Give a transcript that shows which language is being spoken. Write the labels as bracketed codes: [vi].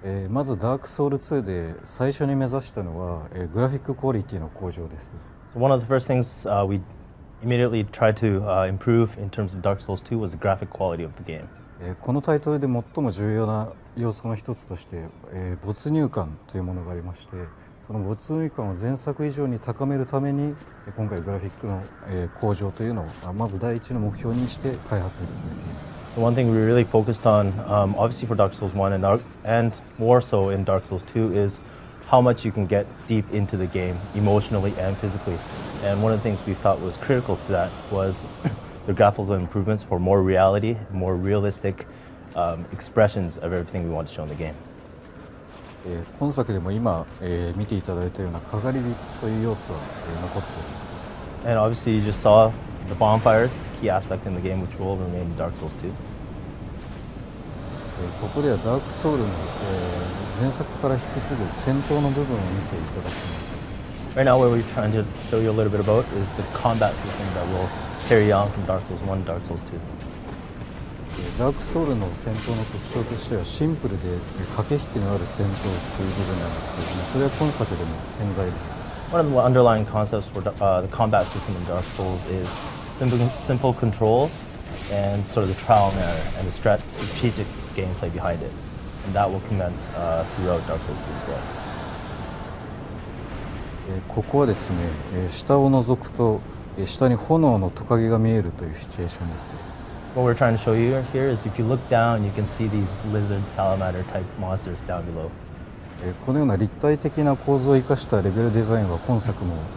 [ja] まずダークソウル2で最初に目指したのは、グラフィッククオリティの向上です。 [en] So one of the first things we immediately tried to improve in terms of Dark Souls 2 was the graphic quality of the game. [ja] このタイトルで最も重要な要素の一つとして、没入感というものがありまして、その没入感を前作以上に高めるために、今回グラフィックの向上というのをまず第一の目標にして開発を進めています。 [en] So one thing we really focused on, obviously for Dark Souls 1 and more so in Dark Souls 2 is how much you can get deep into the game emotionally and physically. And one of the things we thought was critical to that was the graphical improvements for more reality, more realistic expressions of everything we want to show in the game. [ja] 本作でも今、見ていただいたような鏡という要素は、残っています。 [en] And obviously you just saw the bonfires, key aspect in the game which will remain in Dark Souls 2. [ja] ここではダークソウルの、前作から引き継ぐ戦闘の部分を見ていただきます。 [en] Right now, what we're trying to show you a little bit about is the combat system that will carry on from Dark Souls 1 and Dark Souls 2. [ja] ダークソウルの戦闘の特徴としてはシンプルで駆け引きのある戦闘という部分なんですけれども、それは今作でも健在です。 [en] One of the underlying concepts for the combat system in Dark Souls is simple controls and sort of the trial and error and the strategic. Gameplay behind it, and that will commence throughout Dark Souls 2 as well. [ja] ここはですね、下を覗くと下に炎のトカゲが見えるというシチュエーションです。 [en] What we're trying to show you here is if you look down, you can see these lizard salamander type monsters down below. [ja] このような立体的な構造を生かしたレベルデザインは今作も